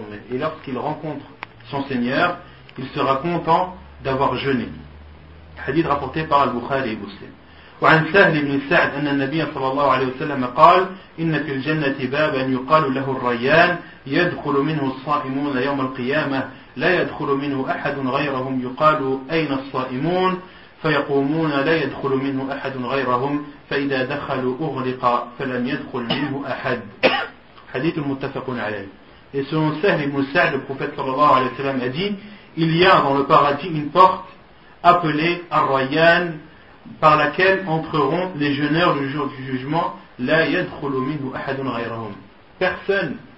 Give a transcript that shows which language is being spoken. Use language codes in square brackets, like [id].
[fr] Et lorsqu'il rencontre son Seigneur, il sera content d'avoir jeûné. Hadith rapporté par Al-Bukhari et Muslim. [ar] وعن سهل بن سعد أن النبي صلى الله عليه وسلم قال إن في الجنة بابا يقال له الريان يدخل منه الصائمون يوم القيامة لا يدخل منه أحد غيرهم يقال أين الصائمون فيقومون لا يدخل منه أحد غيرهم فإذا دخلوا أغلق فلم يدخل منه أحد. حديث متفق عليه. [fr] Et selon سهل بن سعد, le prophète صلى الله عليه وسلم a dit, il y a dans le paradis une porte appelée الريان, par laquelle entreront les jeûneurs le jour du jugement. [ar] La yadkhulu minhu ahadun ghayrahum. [fr] Personne